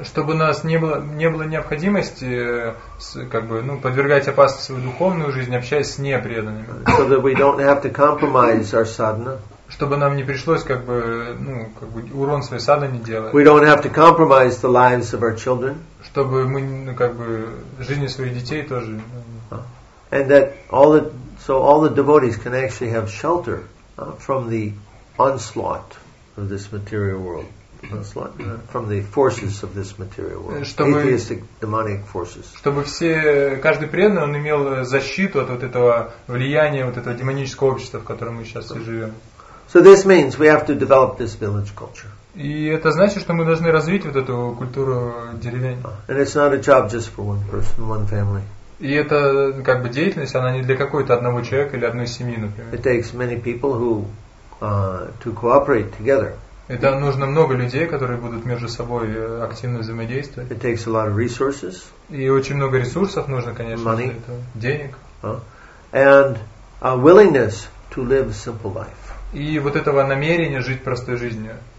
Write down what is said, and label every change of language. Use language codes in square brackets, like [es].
[ru] Чтобы у нас не было необходимости как бы, ну, подвергать опасности свою духовную жизнь, общаясь с непреданными. [en] So that we don't have to compromise our sadhana. [ru] Чтобы нам не пришлось как бы, ну, как бы урон своей садхане делать. [en] We don't have to compromise the lives of our children. [ru] Чтобы мы, ну, как бы жизни своих детей тоже. [en] And that all the devotees can actually have shelter from the onslaught of this material world. from the forces of this material world, [ru] чтобы, [en] atheistic demonic forces. [ru] Чтобы все, каждый преданный, он имел защиту от вот этого влияния, вот этого демонического общества, в котором мы сейчас и живем. [en] So this means we have to develop this village culture. [ru] И это значит, что мы должны развить вот эту культуру деревень. [en] And it's not a job just for one person, one family. [ru] И это как бы деятельность, она не для какого-то одного человека или одной семьи, например. [en] It takes many people who to cooperate together. [ru] Это нужно много людей, которые будут между собой активно взаимодействовать. [en] It takes a lot of resources. [ru] И очень много ресурсов нужно, конечно, [en] money, [ru] для этого. Денег. [en] And a willingness to live a simple life. [ru] И вот этого намерения жить простой жизнью.